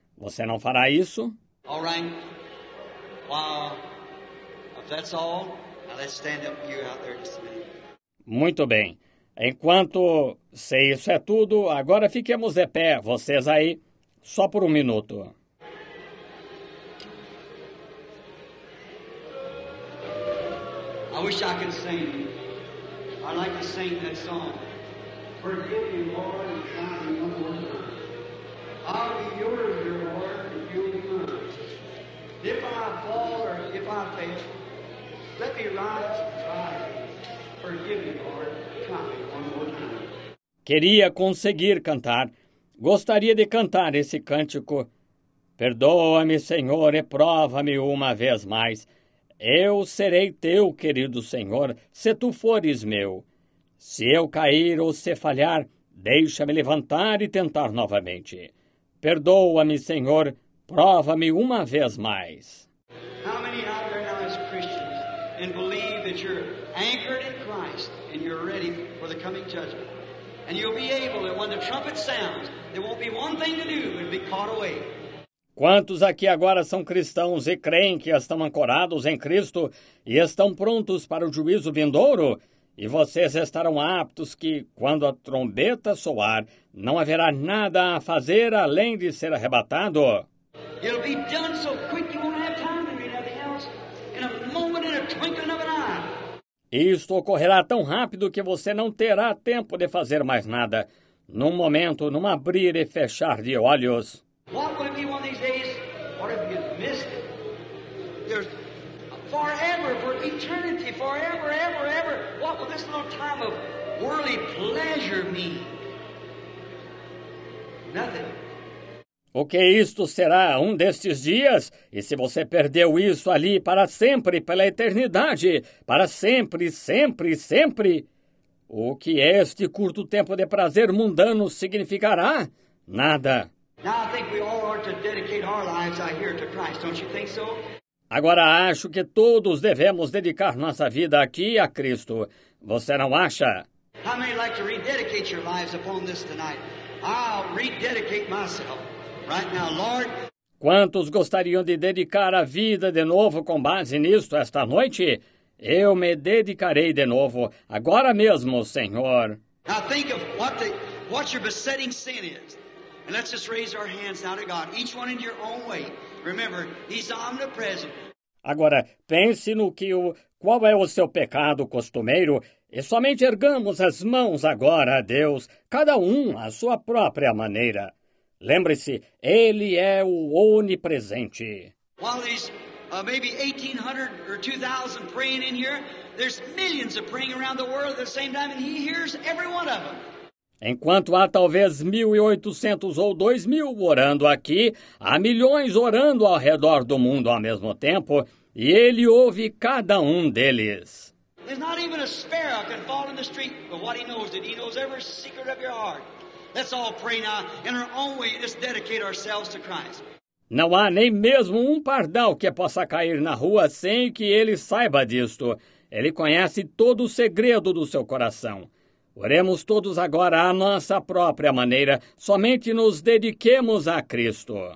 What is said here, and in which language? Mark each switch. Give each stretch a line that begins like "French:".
Portuguese: Você não fará isso?
English: All right. Well, if that's all, now let's stand up with you out there just a minute.
Portuguese: Muito bem. Enquanto, se isso é tudo, agora fiquemos de pé, vocês aí, só por um minuto.
English: I wish I could sing. I like to sing that song. Forgive me, Lord, and find me one more time. I'll be yours, dear Lord, if you'll be mine. If I fall or if I fail, let me rise and try. Forgive me, Lord, and find me one more time.
Portuguese: Queria conseguir cantar. Gostaria de cantar esse cântico. Perdoa-me, Senhor, e prova-me uma vez mais. Eu serei teu, querido Senhor, se tu fores meu. Se eu cair ou se falhar, deixa-me levantar e tentar novamente. Perdoa-me, Senhor, prova-me uma vez mais.
English: How many out there now as Christians and believe that you're anchored in Christ and you're ready for the coming judgment? And you'll be able that when the trumpet sounds, there won't be one thing to do but be caught away.
Portuguese: Quantos aqui agora são cristãos e creem que estão ancorados em Cristo e estão prontos para o juízo vindouro? E vocês estarão aptos que, quando a trombeta soar, não haverá nada a fazer além de ser arrebatado?
English: It'll be done so quick you won't have time to read anything else. In a moment, in a twinkling of an eye.
Portuguese: Isto ocorrerá tão rápido que você não terá tempo de fazer mais nada. Num momento, num abrir e fechar de olhos.
English: What will it be one of these days? What if you missed it? There's forever, for eternity, forever, ever, ever. What will this little time of worldly pleasure mean? Nothing.
Portuguese: O que isto será um destes dias? E se você perdeu isso ali para sempre, pela eternidade, para sempre, sempre, sempre, o que este curto tempo de prazer mundano significará? Nada.
English: Now I think we all are to dedicate our lives out here to Christ, don't you think so?
Portuguese: Agora acho que todos devemos dedicar nossa vida aqui a Cristo. Você não acha?
English: How many like to rededicate your lives upon this tonight? I'll rededicate myself right now, Lord.
Portuguese: Quantos gostariam de dedicar a vida de novo com base nisto esta noite? Eu me dedicarei de novo agora mesmo, Senhor.
English: Now think of what your besetting sin is. And let's just raise our hands now to God, each one in your own way. Remember, he's omnipresent.
Portuguese: Agora, pense no que qual é o seu pecado costumeiro, e somente ergamos as mãos agora a Deus, cada um à sua própria maneira. Lembre-se, ele é o onipresente.
English: While there's maybe 1,800 or 2,000 praying in here, there's millions of praying around the world at the same time, and he hears every one of them.
Portuguese: Enquanto há talvez 1,800 ou 2,000 orando aqui, há milhões orando ao redor do mundo ao mesmo tempo, e ele ouve cada um deles.
English: There's not even a sparrow can fall in the street, but what he knows, that he knows every secret of your heart. Let's all pray now, in our own way, just dedicate ourselves to Christ.
Portuguese: Não há nem mesmo um pardal que possa cair na rua sem que ele saiba disto. Ele conhece todo o segredo do seu coração. Oremos todos agora à nossa própria maneira, somente nos dediquemos a Cristo.